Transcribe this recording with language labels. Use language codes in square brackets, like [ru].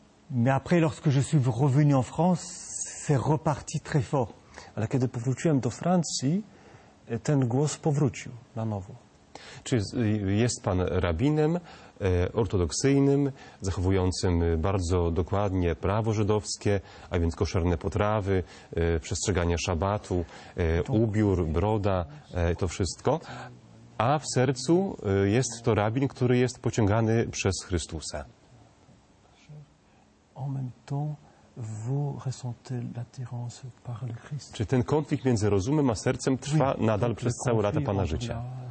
[fr] Mais après, lorsque je suis revenu en France, c'est reparti très fort. [pl] Ale kiedy powróciłem do Francji, ten głos powrócił na nowo. Czy jest pan rabinem ortodoksyjnym, zachowującym bardzo dokładnie prawo żydowskie, a więc koszerne potrawy, przestrzeganie szabatu, ubiór, broda, to wszystko, a w sercu jest to rabin, który jest pociągany przez Chrystusa. [fr] En même temps, vous ressentez l'attirance par le Christ. [pl] Czy ten konflikt między rozumem a sercem trwa oui, nadal przez całe lata pana życia?